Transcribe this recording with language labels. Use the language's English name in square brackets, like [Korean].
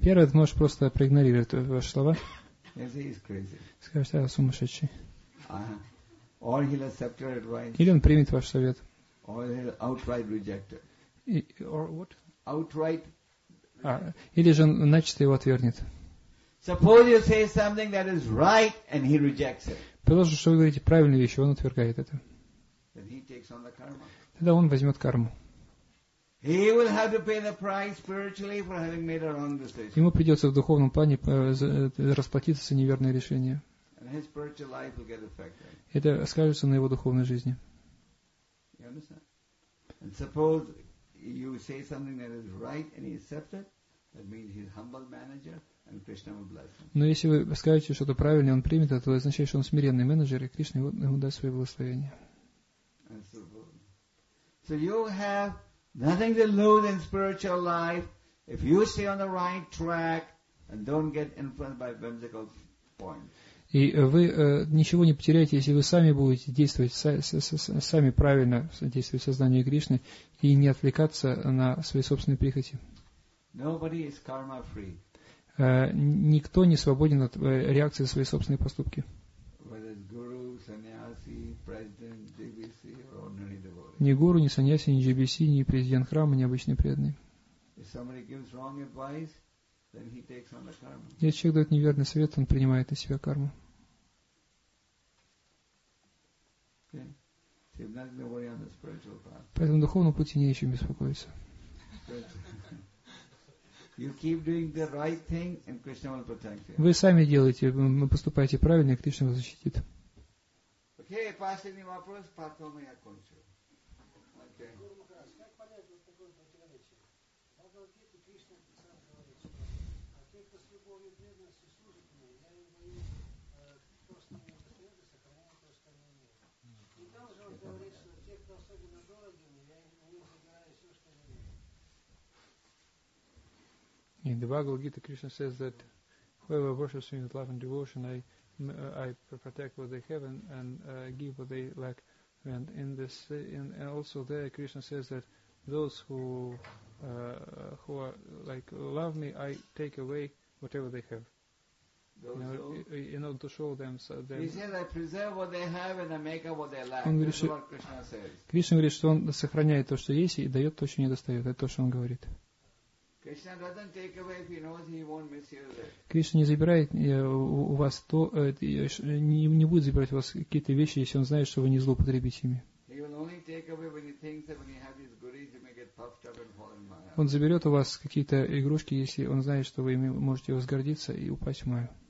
[Russian] Первый, ты можешь просто проигнорировать ваши слова. [English] Yes, he is crazy. [Russian] Скажешь, я сумасшедший. [English] Or he'll accept your advice. [Russian] Или он примет ваш совет. [English] Or he'll outright reject it. Or what? Outright. [Russian] Или же он начисто его отвергнет. [English] Suppose you say something that is right and he rejects it. [Russian] Предположим, что вы говорите правильные вещи, он отвергает это. [English] Then he takes on the karma. [Russian] Тогда он возьмет карму. [English] He will have to pay the price spiritually for having made a wrong decision. [Russian] Ему придется в духовном плане расплатиться за неверное решение. [English] And his spiritual life will get affected. [Russian] Это скажется на его духовной жизни. [English] You understand? And suppose you say something that is right and he accepts it, that means he's humble manager and Krishna will bless him. [Russian] Но если вы скажете что-то правильное, он примет это, то означает, что он смиренный менеджер и Кришна ему даст свое благословение. [English] So you have nothing to lose in spiritual life if you stay on the right track and don't get influenced by whimsical points. [Russian] И вы ничего не потеряете, если вы сами будете действовать, сами правильно действовать в сознании Кришны и не отвлекаться на свои собственные прихоти. [English] Nobody is karma free. [Russian] Никто не свободен от реакции на свои собственные поступки. [English] Whether it's guru, sannyasi, president, GBC, or ordinary devotee. [Russian] Ни гуру, ни саньяси, ни GBC, ни президент храма, ни обычный преданный. [English] If somebody gives wrong advice, then he takes on the karma. [Russian] Если человек дает неверный совет, он принимает на себя карму. [English] Okay. So [Russian] поэтому духовному пути не о чем беспокоиться. [English] You keep doing the right thing, and Krishna will protect you. [Russian] Вы сами делаете, вы поступаете правильно, и Кришна вас защитит. Okay, последний вопрос, потом я кончу. [English] In the Bhagavad Gita, Krishna says that whoever worships me with love and devotion, I protect what they have and give what they lack. And in this, and also there, Krishna says that those who are like love me, I take away whatever they have. In order to show them, so he says, I preserve what they have and I make up what they lack. This is what Krishna says. [Russian] Krishna говорит, что он сохраняет то, что есть, и дает то, что недостает. Это то, что он говорит. [English] Krishna doesn't take away if he knows he won't misuse it. [Russian] Кришна не забирает у вас то, не будет забирать у вас какие-то вещи, если он знает, что вы не злоупотребите ими. [English] He will only take away when he thinks that when he has his goodies, you may get puffed up and fall in maya. [Russian] Он заберет у вас какие-то игрушки, если он знает, что вы ими можете возгордиться и упасть в маю.